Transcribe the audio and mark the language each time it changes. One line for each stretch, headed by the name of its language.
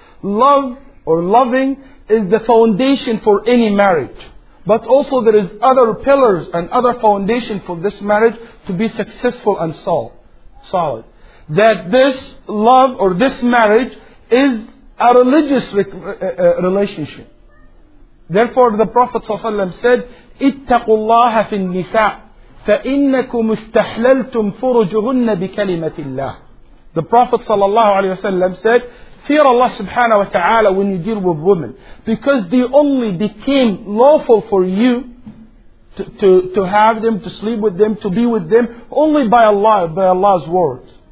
English: Love or loving is the foundation for any marriage, but also there is other pillars and other foundation for this marriage to be successful and solid. That this love or this marriage is a religious relationship. Therefore, the Prophet ﷺ said,
Arabic: اتقوا الله في النساء فإنكم استحللتم فرجهن بكلمة الله.
English: The Prophet ﷺ said, fear Allah subhanahu wa ta'ala when you deal with women, because they only became lawful for you to have them, to sleep with them, to be with them, only by Allah, by Allah's word.